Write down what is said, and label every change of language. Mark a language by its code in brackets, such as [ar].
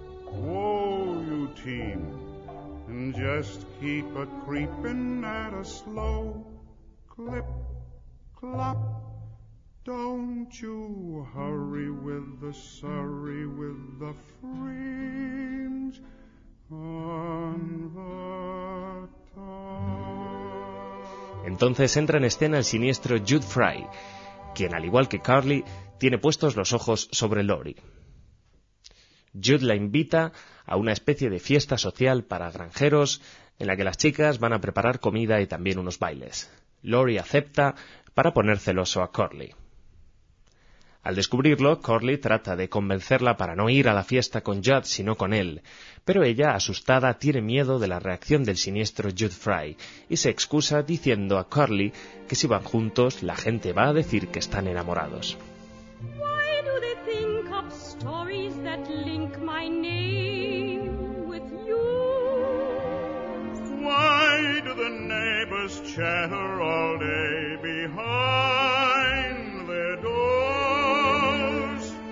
[en] Whoa, you team, and just keep a-creepin' at a slow clip. Clop, don't you hurry with the Surrey with the fringe on the top. [es] Entonces entra en escena el siniestro Jude Fry, quien, al igual que Carly, tiene puestos los ojos sobre Lori. Jude la invita a una especie de fiesta social para granjeros en la que las chicas van a preparar comida y también unos bailes. Lori acepta para poner celoso a Corley. Al descubrirlo, Corley trata de convencerla para no ir a la fiesta con Judd, sino con él, pero ella, asustada, tiene miedo de la reacción del siniestro Jude Fry y se excusa diciendo a Corley que si van juntos, la gente va a decir que están enamorados. [en] Why do they think of stories that link my name with you? Why do the neighbors chatter all day behind their doors?